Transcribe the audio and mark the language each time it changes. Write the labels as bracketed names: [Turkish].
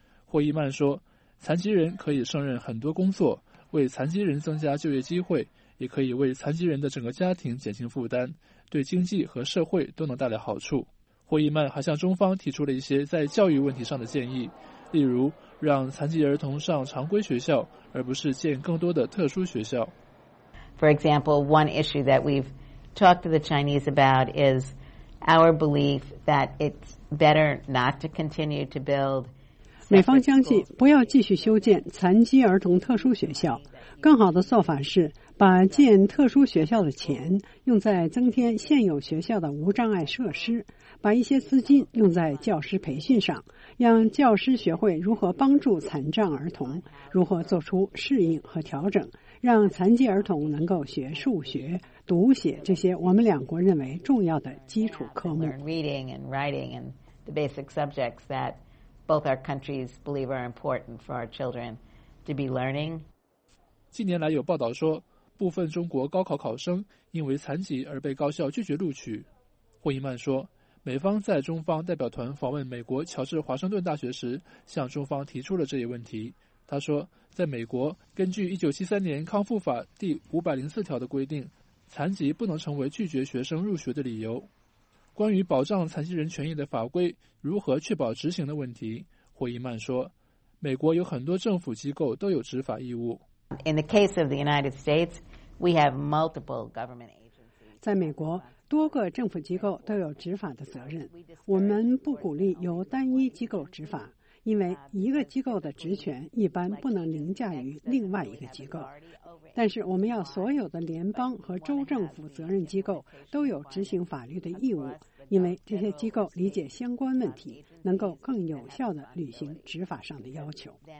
[Chinese] 霍伊曼说，残疾人可以胜任很多工作，为残疾人增加就业机会，也可以为残疾人的整个家庭减轻负担，对经济和社会都能带来好处。霍伊曼还向中方提出了一些在教育问题上的建议，例如让残疾儿童上常规学校，而不是建更多的特殊学校。 [English] For example, one issue that we've talked to the Chinese about is our belief that it's better not to continue to build. [Chinese] 美方相信不要继续修建残疾儿童特殊学校，更好的做法是把建特殊学校的钱用在增添现有学校的无障碍设施，把一些资金用在教师培训上，让教师学会如何帮助残障儿童，如何做出适应和调整，让残疾儿童能够学数学、读写这些我们两国认为重要的基础科目。 [English] Reading and writing and the basic subjects that both our countries believe are important for our children to be learning. [Chinese] 近年来有报道说，部分中国高考考生因为残疾而被高校拒绝录取。霍伊曼说，美方在中方代表团访问美国乔治华盛顿大学时向中方提出了这一问题，他说，在美国，根据1973年康复法第504条的规定，残疾不能成为拒绝学生入学的理由。关于保障残疾人权益的法规如何确保执行的问题，霍伊曼说，美国有很多政府机构都有执法义务。 [English] In the case of the United States, we have multiple government agencies. [Chinese] 在美国，多个政府机构都有执法的责任。我们不鼓励由单一机构执法，因为一个机构的职权一般不能凌驾于另外一个机构。但是我们要所有的联邦和州政府责任机构都有执行法律的义务，因为这些机构理解相关问题，能够更有效地履行执法上的要求。